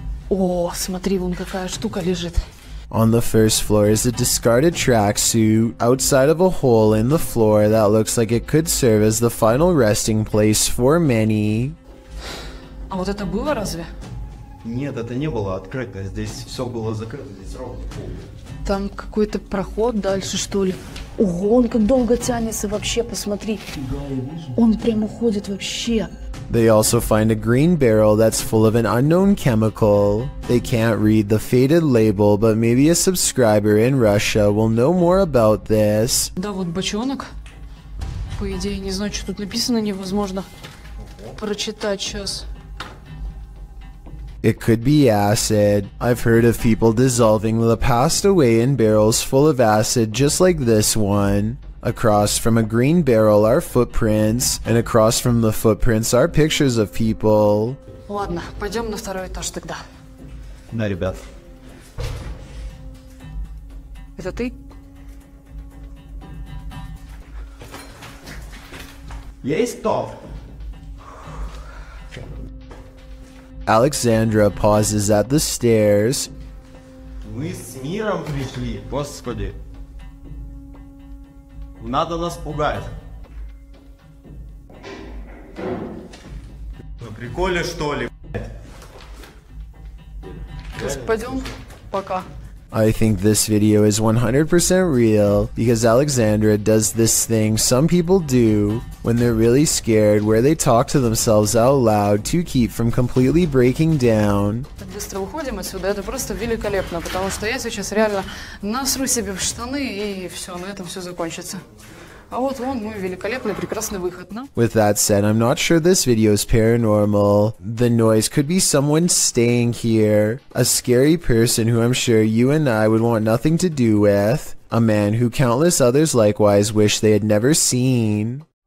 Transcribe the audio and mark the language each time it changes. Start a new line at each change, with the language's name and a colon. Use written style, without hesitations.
Russian: О, смотри, вон какая штука лежит.
English: On the first floor is a discarded tracksuit outside of a hole in the floor that looks like it could serve as the final resting place for many.
Russian: А вот это было разве? Нет, это не было открыто. Здесь все было закрыто, здесь ровно пол. Там какой-то проход дальше, что ли? Ого, он как долго тянется вообще, посмотри. Он прям уходит вообще.
English: They also find a green barrel that's full of an unknown chemical. They can't read the faded label, but maybe a subscriber in Russia will know more about this.
Russian: Да, вот бочонок. По идее, не знаю, что тут написано, невозможно прочитать сейчас.
English: It could be acid. I've heard of people dissolving the past away in barrels full of acid just like this one. Across from a green barrel are footprints, and across from the footprints are pictures of people.
Russian: Ладно, пойдем на второй этаж тогда. Да, ребят. Это ты? Есть то!
English: Alexandra pauses at the stairs.
Russian: Мы с миром пришли, господи. Надо нас пугать. На приколе, что ли, блядь? Господин, пока.
English: I think this video is 100% real, because Alexandra does this thing some people do when they're really scared, where they talk to themselves out loud to keep from completely breaking down.
Russian: Быстро уходим отсюда, это просто великолепно, потому что я сейчас реально насру себе в штаны и все, на этом все закончится. А вот вон мой великолепный, прекрасный выход, но...
English: With that said, I'm not sure this video is paranormal. The noise could be someone staying here. A scary person who I'm sure you and I would want nothing to do with. A man who countless others likewise wish they had never seen.